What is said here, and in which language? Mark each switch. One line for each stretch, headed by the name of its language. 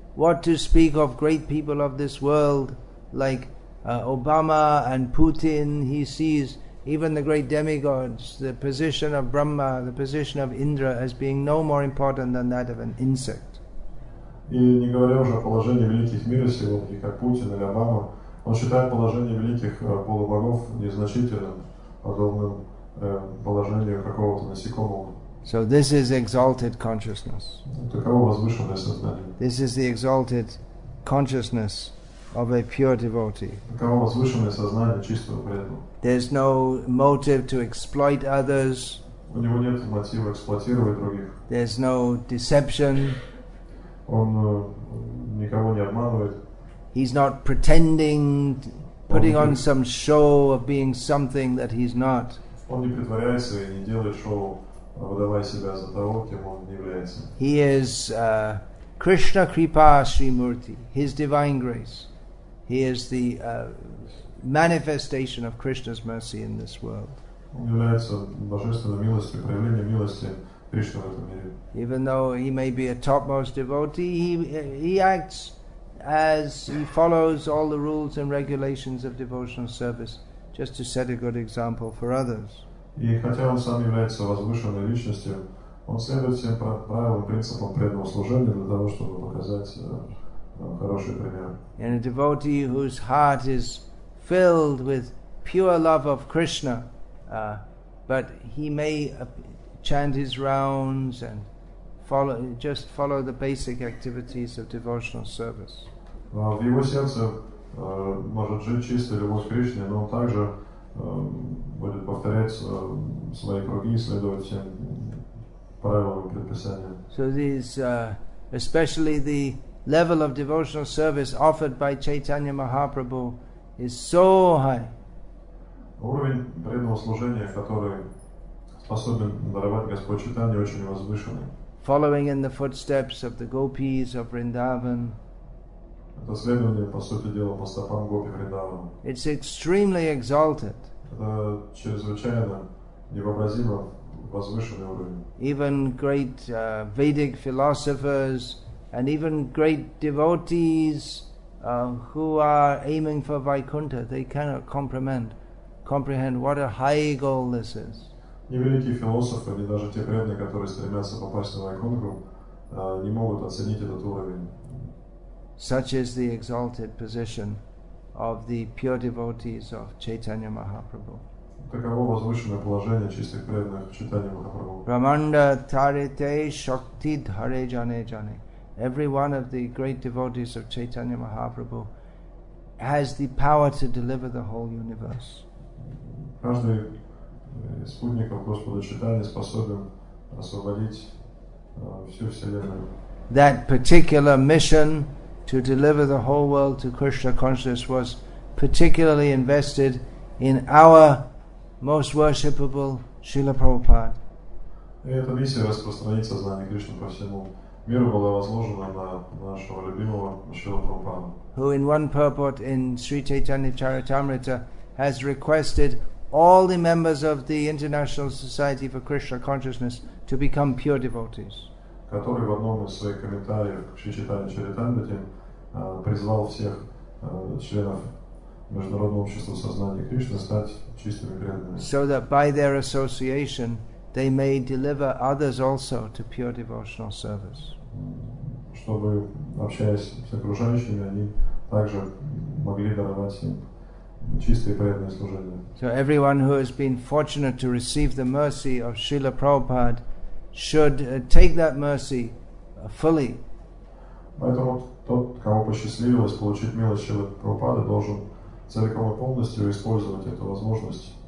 English: What to speak of great people of this world like Obama and Putin? He sees even the great demigods, the position of Brahma, the position of Indra, as being no more important than that of an insect.
Russian: И не говоря уже о положении великих мира сего, как Путин или Обама, он считает положение великих полубогов незначительным, подобным положению какого-то насекомого.
English: So this is exalted consciousness.
Russian: Таково возвышенное сознание.
English: This is the exalted consciousness of a pure devotee.
Russian: Таково возвышенное сознание чистого преданного.
English: There's no motive to exploit others.
Russian: У него нет мотива эксплуатировать других.
English: There's no deception.
Russian: Он никого не обманывает.
English: He's not pretending, putting on some show of being something that he's not.
Russian: Он не притворяется и не делает шоу, выдавая себя за того, кем он не является.
English: He is
Sanskrit: Krishna Kripa Srimurti,
English: his divine grace. He is the manifestation of Krishna's mercy in this world.
Russian: Он является божественной милостью, проявлением милости Кришны в этом мире.
English: Even though he may be a topmost devotee, he acts as he follows all the rules and regulations of devotional service just to set a good example for others.
Russian: И хотя он сам является возвышенной личностью, он следует всем правилам, принципам преданного служения для того, чтобы показать хороший пример.
English: And a devotee whose heart is filled with pure love of Krishna, but he may chant his rounds and follow the basic activities of devotional service.
Russian: В его сердце может жить чистая любовь к Кришне, но он также будет повторять свои круги и следовать всем правилам и предписаниям.
English: So these, especially the level of devotional service offered by Chaitanya Mahaprabhu is so high.
Russian: Уровень преданного служения, который способен даровать Господь Чайтанья, очень возвышенный.
English: Following in the footsteps of the gopis of Vrindavan.
Russian: Это следование, по сути дела, по стопам гопи Вриндавана.
English: It's extremely exalted.
Russian: Это чрезвычайно невообразимо возвышенный уровень.
English: Even great Vedic philosophers and even great devotees who are aiming for Vaikuntha, they cannot comprehend what a high goal this is.
Russian: Ни великие философы, ни даже те преданные, которые стремятся попасть на Вайкунту, не могут оценить этот уровень.
English: Such is the exalted position of the pure devotees of Chaitanya Mahaprabhu.
Russian: Таково возвышенное положение чистых преданных в читании Махапрабху.
Sanskrit: Раманда тарите шоктид харе джане джане.
English: Every one of the great devotees of Chaitanya Mahaprabhu has the power to deliver the whole universe.
Russian: Каждый из спутников Господа Чайтаньи способен освободить всю Вселенную.
English: That particular mission to deliver the whole world to Krishna consciousness was particularly invested in our most worshipable Srila Prabhupada.
Russian: И эта миссия распространить сознание Кришны по всему миру была возложена на нашего любимого Шрила Прабхупада.
English: Who in one purport in Sri Chaitanya Charitamrita has requested all the members of the International Society for Krishna Consciousness to become pure devotees.
Russian: Который в одном из своих комментариев к Шри Чайтанья Чаритамрите призвал всех членов Международного общества сознания Кришны стать чистыми преданными.
English: So that by their association they may deliver others also to pure devotional service.
Russian: Чтобы, общаясь с окружающими, они также могли даровать им чистые преданные служения.
English: So everyone who has been fortunate to receive the mercy of Srila Prabhupada should take that mercy fully.
Russian: Поэтому тот, кому посчастливилось получить милость Шрилы Прабхупады, должен целиком и полностью использовать эту возможность.